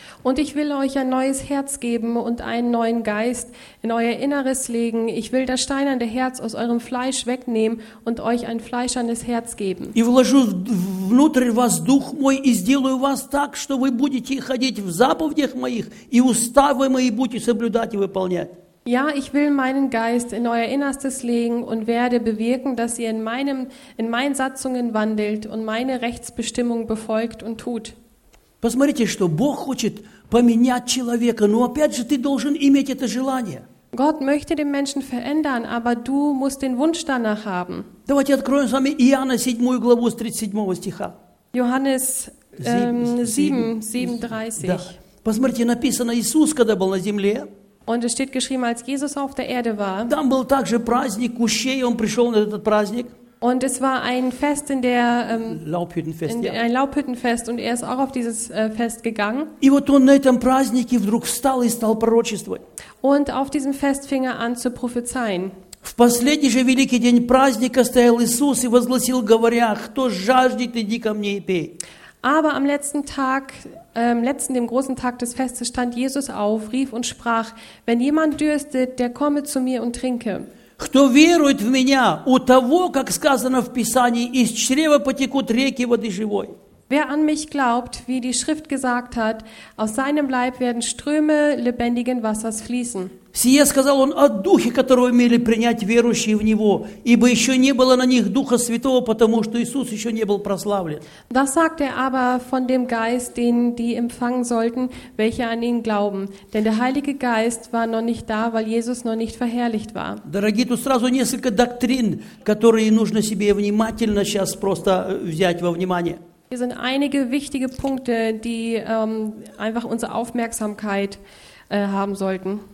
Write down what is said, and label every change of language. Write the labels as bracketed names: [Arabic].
[German] Und ich will euch ein neues Herz geben und einen neuen Geist in euer Inneres legen. Ich will das steinerne Herz aus eurem Fleisch wegnehmen und euch ein fleischernes Herz geben. [Russian] И вложу внутрь вас дух мой и сделаю вас так, что вы будете ходить в заповедях моих и уставы мои будете соблюдать и выполнять. [German] Ja, ich will meinen Geist in euer Innerstes legen und werde bewirken, dass ihr in meinen Satzungen wandelt und meine Rechtsbestimmung befolgt und tut. [Russian] Посмотрите, что Бог хочет поменять человека, но опять же ты должен иметь это желание. [German] Gott möchte den Menschen verändern, aber du musst den Wunsch danach haben. [Russian] Давайте откроем с вами Иоанна 7 главу с 37 стиха. [German] Johannes 7:37. [Russian] Да. Посмотрите, написано, Иисус, когда был на земле, [German] und es steht geschrieben, als Jesus auf der Erde war. [Russian] Там был также праздник кущей, он пришел на этот праздник. [German] Und es war ein Fest in der Laubhüttenfest, in, ja. Ein Laubhüttenfest und er ist auch auf dieses Fest gegangen. [Russian] И вот он на этом празднике вдруг встал и стал пророчествовать. [German] Und auf diesem Fest fing er an zu prophezeien. [Russian] В последний же великий день праздника стоял Иисус и возгласил, говоря: «Кто жаждет, иди ко мне и пей». [German] Aber am letzten Tag, dem großen Tag des Festes, stand Jesus auf, rief und sprach: «Wenn jemand dürstet, der komme zu mir und trinke». [Russian] Кто верует в меня, у того, как сказано в Писании, из чрева потекут реки воды живой. [German] Wer an mich glaubt, wie die Schrift gesagt hat, aus seinem Leib werden Ströme lebendigen Wassers fließen. [Russian] Сие сказал он о духе, которого имели принять верующие в него, ибо еще не было на них Духа Святого, потому что Иисус еще не был прославлен. [German] Das sagt er aber von dem Geist, den die empfangen sollten, welche an ihn glauben. Denn der Heilige Geist war noch nicht da, weil Jesus noch nicht verherrlicht war. [Russian] Дорогие, тут сразу несколько доктрин, которые нужно себе внимательно сейчас просто взять во внимание. [German] Hier sind einige wichtige Punkte, die einfach unsere Aufmerksamkeit haben sollten.